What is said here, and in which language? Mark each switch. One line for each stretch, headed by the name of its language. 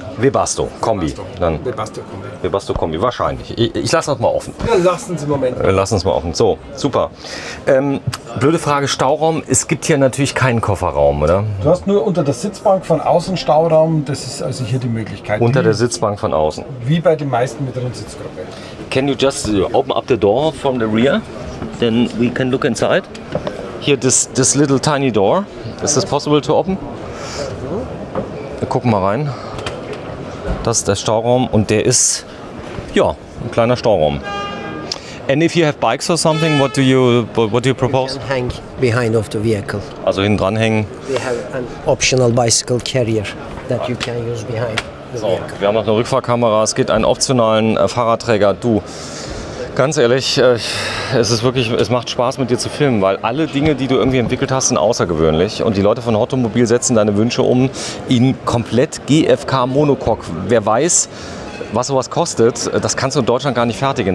German: Webasto, Kombi. Webasto-Kombi. Webasto-Kombi, wahrscheinlich. Ich lasse das mal offen. Ja, lassen Sie im Moment. Lassen Sie es mal offen. So, super. Blöde Frage, Stauraum. Es gibt hier natürlich keinen Kofferraum, oder? Du hast nur unter der Sitzbank von außen Stauraum. Das ist also hier die Möglichkeit. Unter der Sitzbank von außen. Wie bei den meisten mittleren Sitzgruppen.
English: Can you just open up the door from the rear? Then we can look inside. Here, this little tiny door. Is this possible to open?
German: Wir gucken mal rein. Das ist der Stauraum und der ist, ja, ein kleiner Stauraum.
English: And if you have bikes or something, what do you propose? You can hang behind of the vehicle.
German: Also hinten dran hängen.
English: We have an optional bicycle carrier that you can use behind the vehicle.
German: So, wir haben noch eine Rückfahrkamera. Es gibt einen optionalen Fahrradträger. Du. ganz ehrlich, es ist wirklich, es macht Spaß mit dir zu filmen, weil alle Dinge, die du irgendwie entwickelt hast, sind außergewöhnlich. Und die Leute von Hottomobil setzen deine Wünsche um in komplett GFK Monocoque. Wer weiß, was sowas kostet, das kannst du in Deutschland gar nicht fertigen.